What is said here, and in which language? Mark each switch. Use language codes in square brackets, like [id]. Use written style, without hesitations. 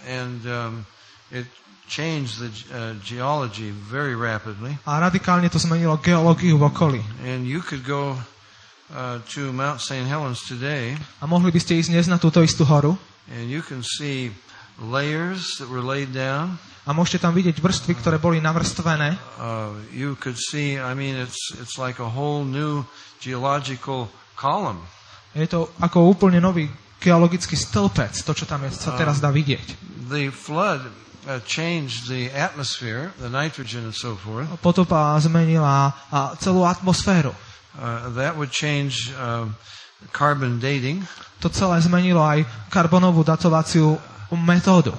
[en] And it changed the geology very rapidly. [sk] A radikálne to zmenilo geológiu v okolí. [en] And you could go to Mount St. Helens today. [sk] A mohli by ste ísť dnes na túto istú horu. [en] And you can see layers that were laid down. [sk] A môžete tam vidieť vrstvy, ktoré boli navrstvené. [en] You could see, I mean, it's like a whole new geological column. [sk] Je to ako úplne nový geologický stĺpec, to čo tam je, sa teraz dá vidieť. [en] The flood changed the atmosphere, the nitrogen and so forth. [sk] Potopa zmenila celú atmosféru. [en] That would change carbon dating. [sk] To celé zmenilo aj karbonovú datovaciu metódu.